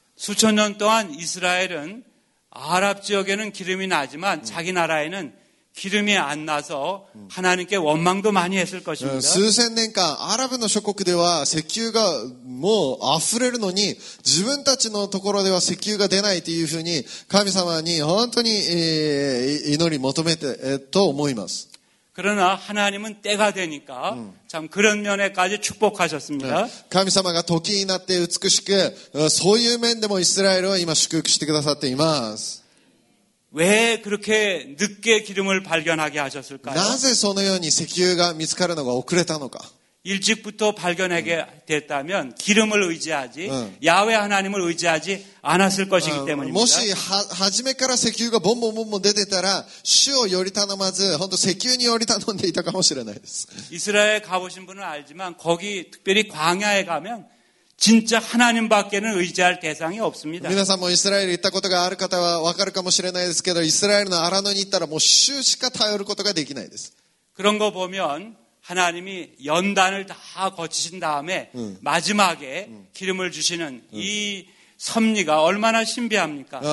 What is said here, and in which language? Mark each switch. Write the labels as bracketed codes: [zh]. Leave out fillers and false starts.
[ko] 수천년동안이스라엘은아랍지역에는기름이나지만자기나라에는 기름이안나서하나님께원망도많이했을것입니다 수천년간아랍의 [ja] 諸国では石油がもう溢れるのに自分たちのところでは石油が出ないというふうに神様に本当に祈り求めてと思います [ko] 그러나하나님은때가되니까참그런면에까지축복하셨습니다 [ja] 神様が時になって美しくそういう面でもイスラエルを今祝福してくださっています [ko] 왜그렇게늦게기름을발견하게하셨을까요 [ja] なぜそのように石油が見つかるのが遅れたのか [ko] 일찍부터발견하게됐다면기름을의지하지야외하나님을의지하지않았을것이기때문입니다 [ja] もし初めから石油がボンボンボンボン出てたら主をより頼まず本当石油により頼んでいたかもしれないです [ko] 이스라엘가보신분은알지만거기특별히광야에가면진짜하나님밖에는의지할대상이없습니다 [ja] 皆さんもイスラエル行ったことがある方は分かるかもしれないですけどイスラエルの荒野に行ったらもう主しか頼ることができないです [ko] 그런거보면하나님이연단을다거치신다음에마지막에기름을주시는이섭리가얼마나신비합니까